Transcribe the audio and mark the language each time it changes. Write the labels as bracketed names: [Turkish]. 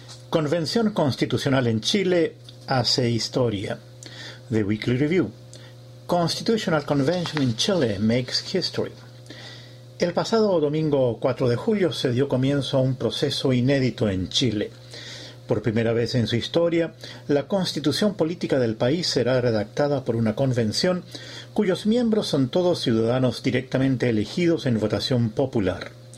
[Spanish] Convención Constitucional en Chile hace historia. [English] The Weekly Review. Constitutional Convention in Chile makes history. [Spanish] El pasado domingo 4 de julio se dio comienzo a un proceso inédito en Chile. Por primera vez en su historia, la constitución política del país será redactada por una convención cuyos miembros son todos ciudadanos directamente elegidos en votación popular.